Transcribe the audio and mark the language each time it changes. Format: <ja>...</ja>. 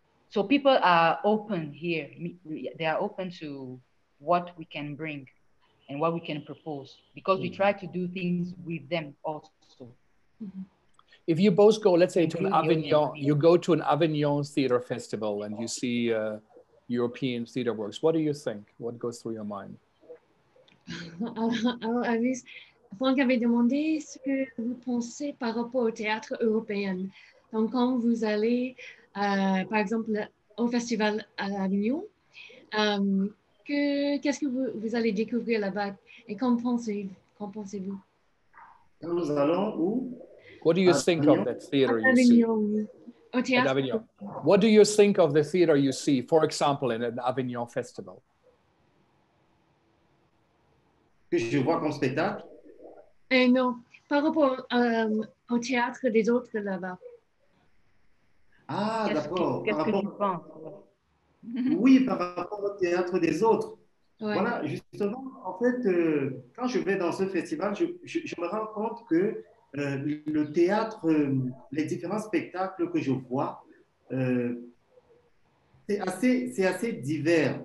<en>So people are open here. They are open to what we can bring and what we can propose, because we try to do things with them also. If you both go, let's say to an Avignon, you go to an Avignon Theatre Festival and you see European theater works, what do you think? What goes through your mind?</en> <fr>Alors, Franck avait demandé ce que vous pensez par rapport au théâtre européen. Donc, quand vous allez, par exemple, au festival à Avignon, qu'est-ce que vous allez découvrir là-bas? Et qu'en pensez-vous? Nous allons où?</fr> <en>What do you think of that theater you see?</en> <fr>Au théâtre.</fr> <en>At Avignon. What do you think of the theater you see, for example, in an Avignon festival?</en> <fr>Que je vois comme spectacle? Et non, par rapport au théâtre des autres là-bas. Ah, qu'est-ce d'accord. Qu'est-ce que tu penses? Oui, par rapport au théâtre des autres. Ouais. Voilà, justement, en fait, quand je vais dans ce festival, je me rends compte que le théâtre, les différents spectacles que je vois, c'est assez divers.</fr>